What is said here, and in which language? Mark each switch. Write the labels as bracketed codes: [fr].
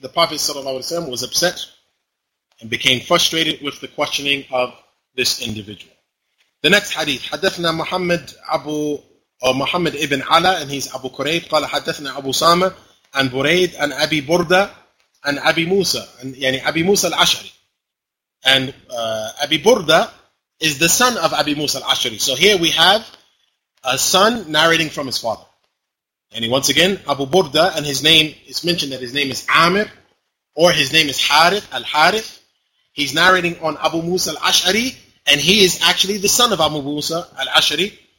[en] The Prophet ﷺ was upset and became frustrated with the questioning of this individual. The next hadith, [ar] حدثنا محمد أبو or محمد ابن علا [en] and he's [ar] أبو كريب قال حدثنا أبو سامة عن بريد عن أبي بردة عن أبي موسى يعني أبي موسى العشري and أبي بردة [en] is the son of [ar] أبي موسى العشري. [en] So here we have a son narrating from his father. And once again, أبو بردة, and his name is mentioned that his name is عامر or his name is حارث الحارث. He's narrating on أبو موسى العشري. And he is actually the son of Abu Musa al-Ash'ari.